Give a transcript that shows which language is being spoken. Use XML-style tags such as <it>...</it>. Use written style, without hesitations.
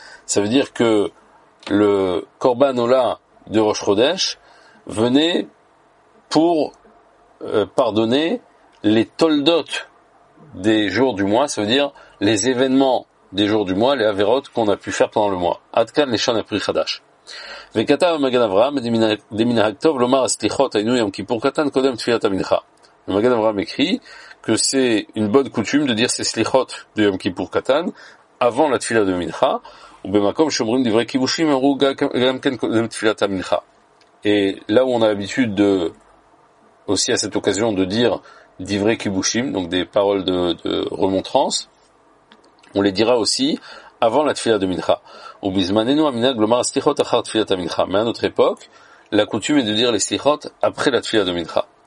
<fr>Ça veut dire que le Korban Ola de Rosh Chodesh venait pour pardonner les Toldot des jours du mois, ça veut dire les événements des jours du mois, les Averot qu'on a pu faire pendant le mois.</fr> <he>Adkan Leshan Apri Chadash. וכתב מגן אברהם דמנהג טוב לומר הסליחות היינו יום כיפור קטן קודם תפילת המנחה. ומגן אברהם</he> <fr>écrit que c'est une bonne coutume de dire ces סליחות de יום כיפור קטן avant la</fr> <he>תפילה de מנחה, ובמקום שאומרים דברי כיבושים אמרו גם כן קודם תפילת המנחה.</he> <fr>Et là où on a l'habitude de aussi à cette occasion de dire דברי כיבושים, donc des paroles de remontrance, on les dira aussi avant la tefillah de Mincha.</fr> <he>Ou bizmanenu aminag lomar slichot achar</he> <fr>tefillah de Mincha. Mais à notre époque, la coutume est de dire les slichot après la tefillah de Mincha.</fr>